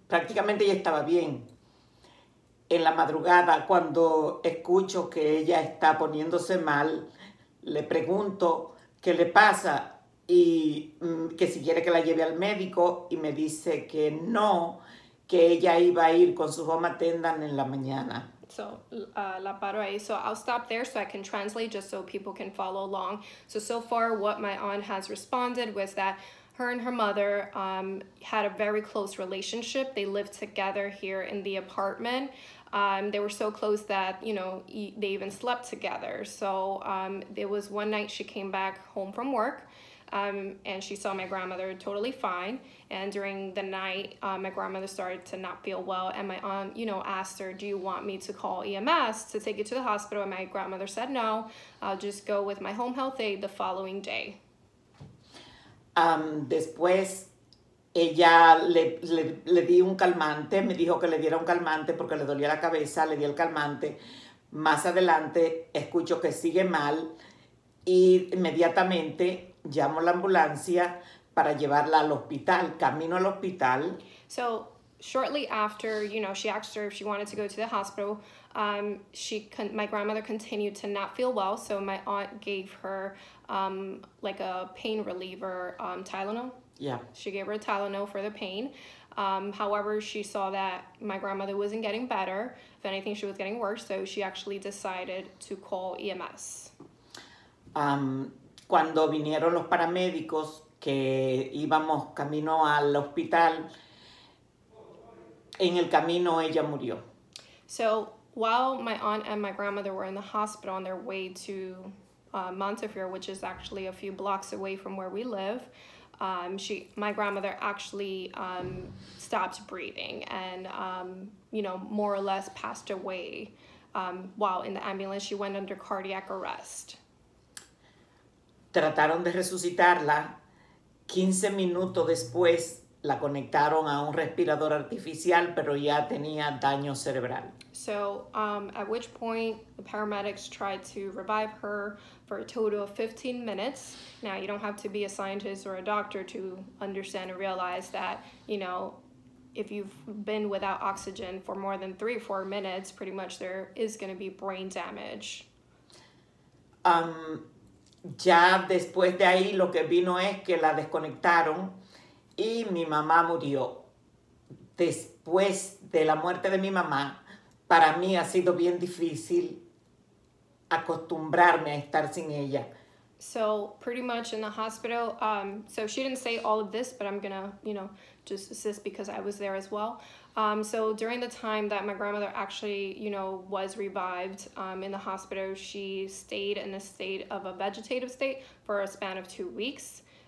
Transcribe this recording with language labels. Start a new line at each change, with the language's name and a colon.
Spanish: Prácticamente ella estaba bien. En la madrugada, cuando escucho que ella está poniéndose mal, le pregunto qué le pasa y que si quiere que la lleve al médico, y me dice que no, que ella iba a ir con su home attendant en la mañana. So, la paro ahí.
English: So I'll stop there so I can translate just so people can follow along. So far what my aunt has responded was that her and her mother had a very close relationship. They lived together here in the apartment. They were so close that, you know, they even slept together. So there was one night she came back home from work, and she saw my grandmother totally fine. And during the night, my grandmother started to not feel well. And my aunt, you know, asked her, do you want me to call EMS to take you to the hospital? And my grandmother said, no, I'll just go with my home health aide the following day.
Spanish: Después ella le di un calmante, me dijo que le diera un calmante porque le dolía la cabeza, le di el calmante. Más adelante escucho que sigue mal y inmediatamente llamo la ambulancia para llevarla al hospital, camino al hospital.
English: So shortly after, you know, she asked her if she wanted to go to the hospital. My grandmother continued to not feel well, so my aunt gave her like a pain reliever, Tylenol. Yeah. She gave her a Tylenol for the pain. However, she saw that my grandmother wasn't getting better. If anything, she was getting worse, so she actually decided to call EMS.
Spanish: Cuando vinieron los paramédicos, que íbamos camino al hospital, En el camino ella murió.
English: So while my aunt and my grandmother were in the hospital on their way to Montefiore, which is actually a few blocks away from where we live, my grandmother actually stopped breathing and, you know, more or less passed away while in the ambulance. She went under cardiac arrest.
Spanish: Trataron de resucitarla. 15 minutos después la conectaron a un respirador artificial, pero ya tenía daño cerebral.
English: So, at which point the paramedics tried to revive her for a total of 15 minutes. Now, you don't have to be a scientist or a doctor to understand and realize that, you know, if you've been without oxygen for more than 3 or 4 minutes, pretty much there is going to be brain damage.
Spanish: Ya después de ahí lo que vino es que la desconectaron y mi mamá murió. Después de la muerte de mi mamá, para mí ha sido bien difícil acostumbrarme a estar sin ella.
English: So pretty much in the hospital, so she didn't say all of this, but I'm gonna, you know, just assist because I was there as well. So during the time that my grandmother actually, you know, was revived in the hospital, she stayed in a state of a vegetative state for a span of 2 weeks.